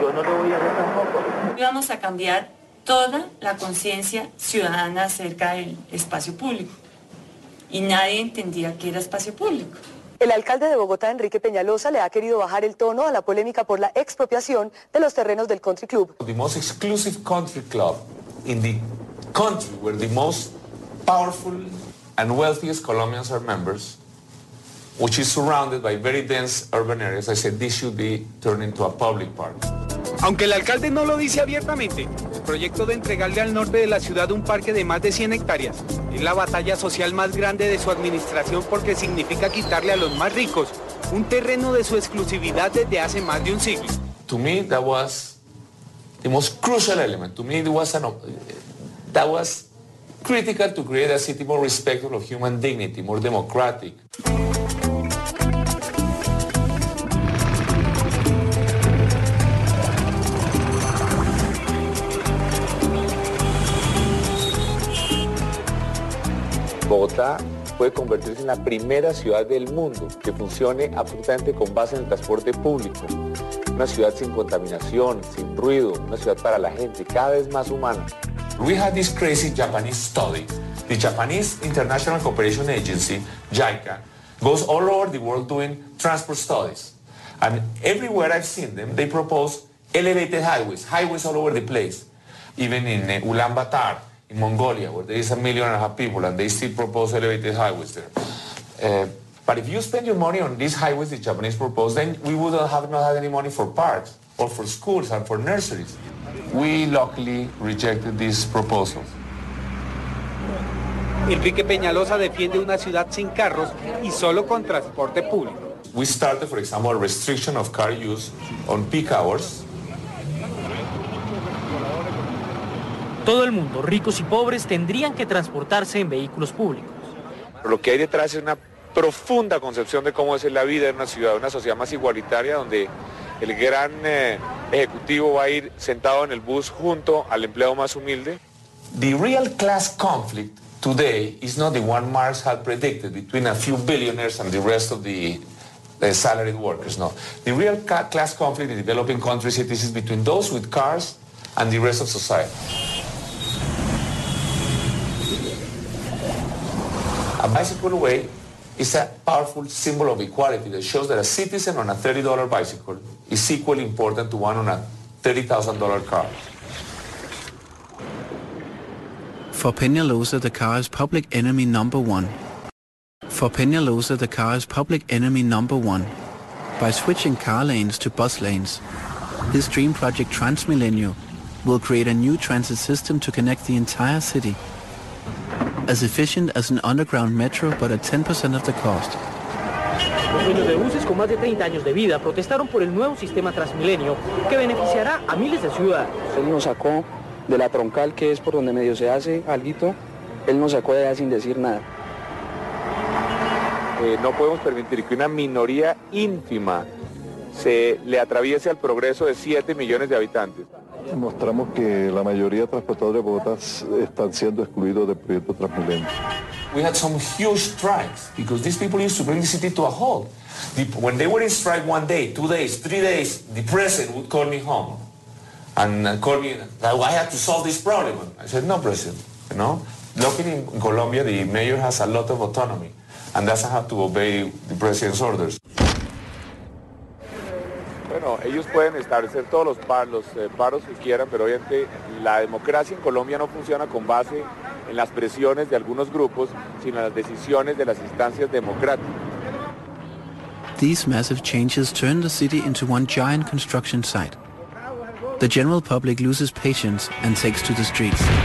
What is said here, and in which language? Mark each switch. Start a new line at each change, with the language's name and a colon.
Spanish: Yo no lo voy a hacer tampoco. Íbamos a cambiar toda la conciencia ciudadana acerca del espacio público. Y nadie entendía que era espacio público. El alcalde de Bogotá, Enrique Peñalosa, le ha querido bajar el tono a la polémica por la expropiación de los terrenos del country club.
English: The most exclusive country club in the country where the most powerful and wealthiest Colombians are members, which is surrounded by very dense urban areas, I said this should be turned into a public park.
Spanish: Aunque el alcalde no lo dice abiertamente, el proyecto de entregarle al norte de la ciudad un parque de más de 100 hectáreas es la batalla social más grande de su administración, porque significa quitarle a los más ricos un terreno de su exclusividad desde hace más de un siglo.
English: To me, that was the most crucial element. To me, it was that was critical to create a city more respectful of human dignity, more democratic.
Spanish: Bogotá puede convertirse en la primera ciudad del mundo que funcione absolutamente con base en el transporte público. Una ciudad sin contaminación, sin ruido, una ciudad para la gente, cada vez más humana.
English: We had this crazy Japanese study. The Japanese International Cooperation Agency, JICA, goes all over the world doing transport studies. And everywhere I've seen them, they propose elevated highways, highways all over the place. Even in Ulaanbaitar, in Mongolia, where there is 1.5 million people and they still propose elevated highways there. But if you spend your money on these highways the Japanese propose, then we would not have any money for parks or for schools and for nurseries. We luckily rejected this proposal.
Spanish: Enrique Peñalosa defiende una ciudad sin carros y solo con transporte público.
English: We started, for example, a restriction of car use on peak hours.
Spanish: Todo el mundo, ricos y pobres, tendrían que transportarse en vehículos públicos. Lo que hay detrás es una profunda concepción de cómo es la vida en una ciudad, una sociedad más igualitaria, donde el gran ejecutivo va a ir sentado en el bus junto al empleado más humilde.
English: The real class conflict today is not the one Marx had predicted between a few billionaires and the rest of the salaried workers, no. The real class conflict in developing country cities is between those with cars and the rest of society. A bicycle way is a powerful symbol of equality that shows that a citizen on a $30 bicycle is equally important to one on a $30,000 car. For Peñalosa, the car is public enemy number one. For Peñalosa, the car is public enemy number one. By switching car lanes to bus lanes, this dream project Transmilenio will create a new transit system to connect the entire city. As efficient as an underground metro, but at 10% of the cost.
Spanish: Los dueños de buses con más de 30 años de vida protestaron por el nuevo sistema Transmilenio que beneficiará a miles de ciudadanos. Él nos sacó de la troncal, que es por donde medio se hace alguito. Él nos sacó de allá sin decir nada. No podemos permitir que una minoría ínfima se le atraviese al progreso de 7 millones de habitantes. Mostramos que la mayoría de transportadores de Bogotá están siendo excluidos del proyecto Transmilenio.
English: We had some huge strikes because these people used to bring the city to a halt. When they were in strike one day, 2 days, 3 days, the president would call me home and call me that I had to solve this problem. I said, no, president, you know, luckily in Colombia the mayor has a lot of autonomy and doesn't have to obey the president's orders.
Spanish: Bueno, ellos pueden establecer todos los paros que quieran, pero obviamente la democracia en Colombia no funciona con base en las presiones de algunos grupos, sino en las decisiones de las instancias democráticas.
English: These massive changes turn the city into one giant construction site. The general public loses patience and takes to the streets.